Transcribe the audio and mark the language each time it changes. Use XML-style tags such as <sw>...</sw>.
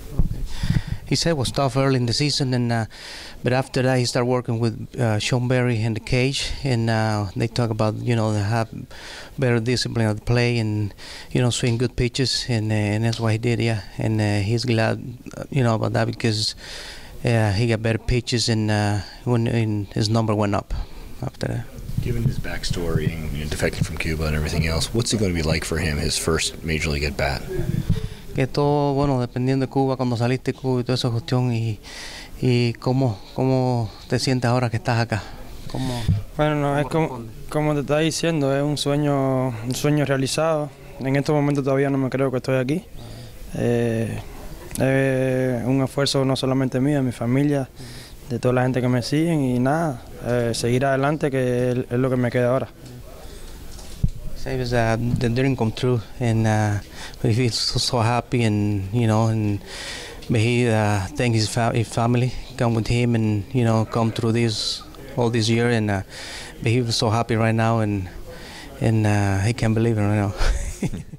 <en>Okay. He said it was tough early in the season, and but after that he started working with Sean Berry in the cage, and they talk about, you know, they have better discipline at the play, and, you know, swing good pitches, and that's what he did, yeah. And he's glad, you know, about that, because he got better pitches, and when his number went up after that. Given his backstory and, you know, defecting from Cuba and everything else, what's it going to be like for him, his first major league at bat?</en> <es>Que todo, bueno, dependiendo de Cuba, cuando saliste de Cuba y toda esa cuestión, y cómo te sientes ahora que estás acá. ¿Cómo, bueno, no, cómo es como te estaba diciendo, es un sueño realizado. En este momento todavía no me creo que estoy aquí. Un esfuerzo no solamente mío, de mi familia, de toda la gente que me siguen, y nada, seguir adelante, que es lo que me queda ahora.</es> <en>It was the dream come true, and he feels so happy, and, you know, and but he thanks his family come with him, and, you know, come through this all this year, and but he was so happy right now, and he can't believe it right now.</en>